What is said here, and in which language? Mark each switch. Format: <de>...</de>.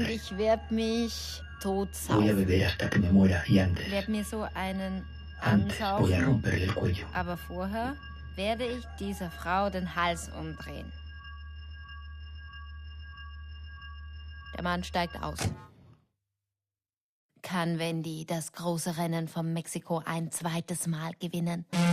<de>Und ich werde mich tot saufen.</de> <es>Voy a beber hasta que me muera y antes.</es> <de>Werde mir so einen</de> <es>antes voy a romperle el cuello.</es> <de>Aber vorher werde ich dieser Frau den Hals umdrehen. Der Mann steigt aus. Kann Wendy das große Rennen von Mexiko ein zweites Mal gewinnen?</de>